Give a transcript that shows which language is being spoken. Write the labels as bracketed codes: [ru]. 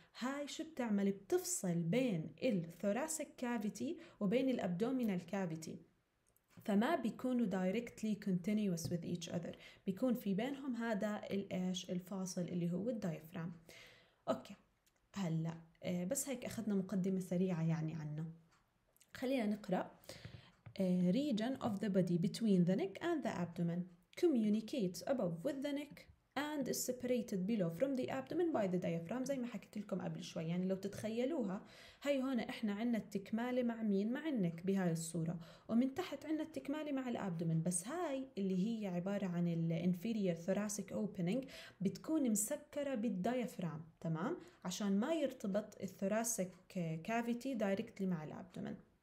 [ar] هاي شو بتعمل؟ بتفصل بين الثوراسيك كافيتي وبين الابدومينال كافيتي، فما بيكونوا [en] directly continuous with each other, [ar] بيكون في بينهم هذا الايش الفاصل اللي هو الديافرام. اوكي، هلا بس هيك اخذنا مقدمه سريعه يعني عنه. خلينا نقرا. [en] region of the body between the neck and the abdomen communicates above with the neck and is separated below from the abdomen by the diaphragm. [ar] زي ما حكيت لكم قبل شوي، يعني لو تتخيلوها هاي هون احنا عنا التكمالة مع مين؟ مع النك بهاي الصورة، ومن تحت عنا التكمالة مع الابدومن. بس هاي اللي هي عبارة عن ال [en] inferior thoracic opening [ar] بتكون مسكرة بالديافرام، تمام؟ عشان ما يرتبط الثوراسيك كافيتي دايركتلي مع الابدومن.